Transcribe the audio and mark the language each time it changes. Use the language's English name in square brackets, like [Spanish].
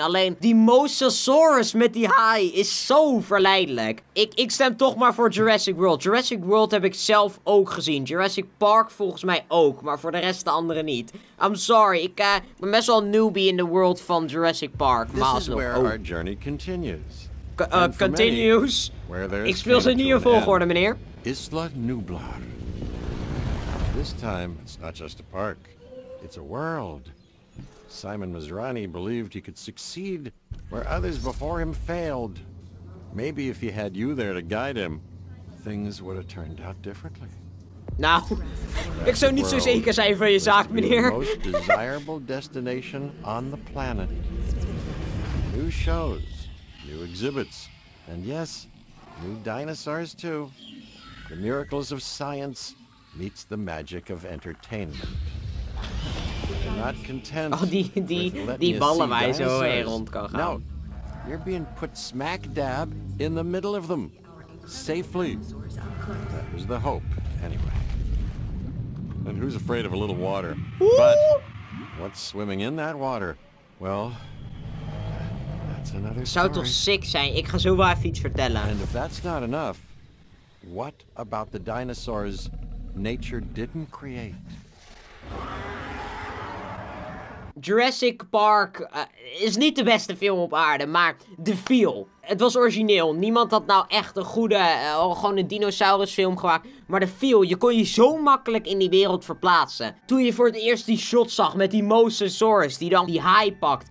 [Dutch] Alleen die Mosasaurus met die haai is zo verleidelijk. Ik stem toch maar voor Jurassic World. Jurassic World heb ik zelf ook gezien. Jurassic Park volgens mij ook, maar voor de rest de anderen niet. [English] I'm sorry, [Dutch] ik ben best wel een newbie in de world van Jurassic Park. [English] This is where our journey continues. Continues. [Dutch] Ik speel ze niet in volgorde, meneer. Isla Nublar. [English] This time, it's not just a park. It's a world. Simon Masrani believed he could succeed where others before him failed. Maybe if he had you there to guide him, things would have turned out differently. [Dutch] Nou, ik zou niet zo zeker zijn van je zaak, meneer. [English] The most desirable destination on the planet. New shows. New exhibits, and yes, new dinosaurs too. The miracles of science meets the magic of entertainment. You're not content. [Dutch] Oh, die ballen waar je zo heen rond kan gaan. [English] No, you're being put smack dab in the middle of them, safely. That was the hope, anyway. And who's afraid of a little water? Ooh. But what's swimming in that water? Well. [Dutch] Zou toch sick zijn? Ik ga zo wel even iets vertellen. [English] And if that's not enough, what about the dinosaurs nature didn't create? [Dutch] Jurassic Park is niet de beste film op aarde, maar de feel. Het was origineel. Niemand had nou echt een goede, gewoon een dinosaurusfilm gemaakt. Maar de feel, je kon je zo makkelijk in die wereld verplaatsen. Toen je voor het eerst die shot zag met die Mosasaurus die dan die haai pakt.